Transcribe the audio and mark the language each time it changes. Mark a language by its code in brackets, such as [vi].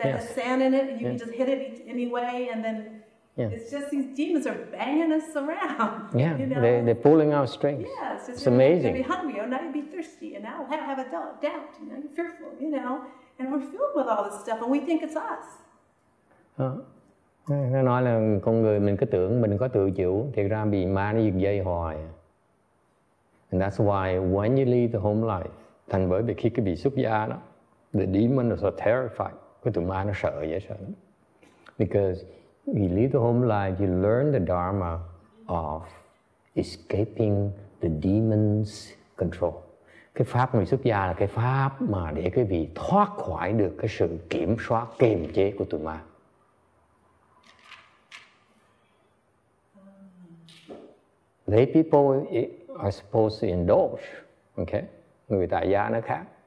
[en] that has sand in it, and you can just hit it any way, and then. Yeah. It's just these demons are banging us around. Yeah, you know? they're pulling our strings. Yeah, it's amazing. You're gonna be hungry, or now you'll be thirsty, and now I'll have a doubt, and I'm fearful, you know. And we're filled with all this stuff, and we think it's us. [vi] Nó nói là con người mình cứ tưởng mình có tự chủ, thiệt ra bị ma nó giật dây hoài. [en] And that's why when you leave the home life, [vi] thành bởi vì khi cái bị xuất gia đó, [en] the demons are so terrified, [vi] cái tụi ma nó sợ dễ sợ. [en] Because you leave the home life, you learn the dharma of escaping the demon's control. [vi] Cái pháp người xuất gia là cái pháp mà để cái vị thoát khỏi được cái sự kiểm soát, kiềm chế của tụi ma. [en] Lay people are supposed to indulge, okay? [vi] Người tại gia nó khác.